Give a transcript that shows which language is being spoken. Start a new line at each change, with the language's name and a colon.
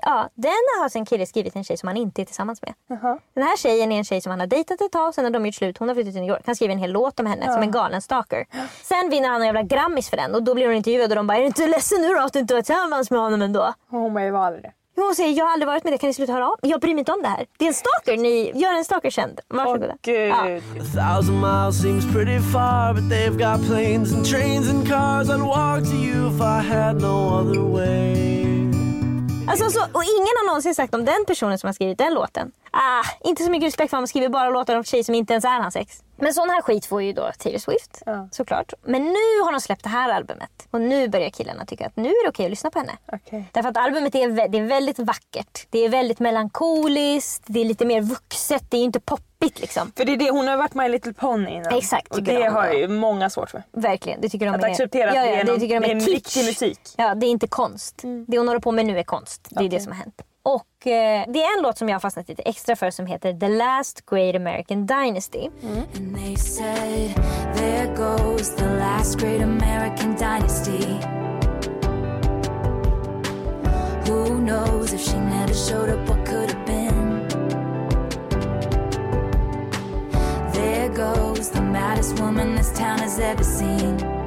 Swedish: Ja, den har sin kille skrivit en tjej som han inte är tillsammans med. Den här tjejen är en tjej som han har dejtat ett tag. Sen när de gjort slut, hon har flyttat till New York. Han skriver en hel låt om henne, som en galen stalker. Sen vinner han en jävla Grammys för den. Och då blir hon intervjuad och de bara, är du inte ledsen nu då att du inte var tillsammans med honom ändå? Hon bara, jag var aldrig. Hon säger, jag har aldrig varit med det, kan ni sluta höra av? Jag bryr mig inte om det här. Det är en stalker, ni gör en stalker känd. Varsågod. Åh gud.
English: A thousand miles seems pretty far, but they've got planes and trains and cars. I'd walk to you if I had no other way.
Swedish: Alltså, och ingen har någonsin sagt om den personen som har skrivit den låten. Ah, inte så mycket respekt för att man skriver bara låtar om tjej som inte ens är hans ex. Men sån här skit får ju då Taylor Swift, såklart. Men nu har de släppt det här albumet. Och nu börjar killarna tycka att nu är det okej att lyssna på henne. Okay. Därför att albumet det är väldigt vackert. Det är väldigt melankoliskt, det är lite mer vuxet, det är inte poppigt liksom. För det är det, hon har varit My Little Pony innan. Exakt, tycker och det de har ju många svårt för. Verkligen, det tycker de att är... Att acceptera att det är någon, det de är riktig musik. Ja, det är inte konst. Det hon håller på med nu är konst. Det är det som har hänt. Och det är en låt som jag har fastnat lite extra för som heter The Last Great American Dynasty.
English: And they said, there goes the last great American dynasty. Who knows if she never showed up, what could have been. There goes the maddest woman this town has ever seen.